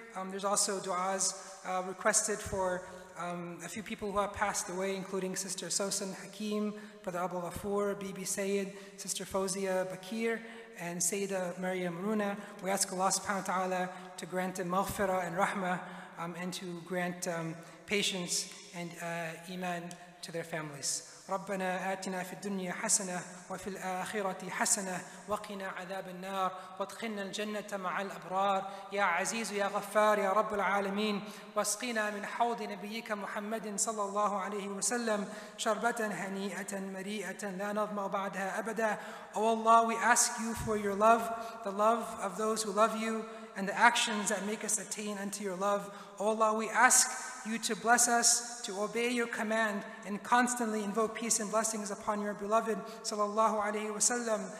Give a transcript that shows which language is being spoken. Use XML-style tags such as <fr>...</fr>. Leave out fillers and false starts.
<en>There's also du'as requested for a few people who have passed away, including Sister Sosan Hakim, Brother Abu Ghafoor, Bibi Sayyid, Sister Fozia Bakir, and Sayyida Maryam Runa. We ask Allah subhanahu wa ta'ala to grant them maghfirah and rahmah, and to grant patience and iman to their families.</en> <ar>ربنا آتنا في الدنيا حسنة وفي الآخرة حسنة وقنا عذاب النار وادخلنا الجنة مع الأبرار يا عزيز يا غفار يا رب العالمين واسقنا من حوض نبيك محمد صلى الله عليه وسلم شربة هنيئة مريئة لا نظمأ بعدها أبدا.</ar> <en>Oh Allah, we ask you for your love, the love of those who love you, and the actions that make us attain unto your love. Oh Allah, we ask you to bless us, to obey your command, and constantly invoke peace and blessings upon your beloved, sallallahu alayhi wa sallam.</en>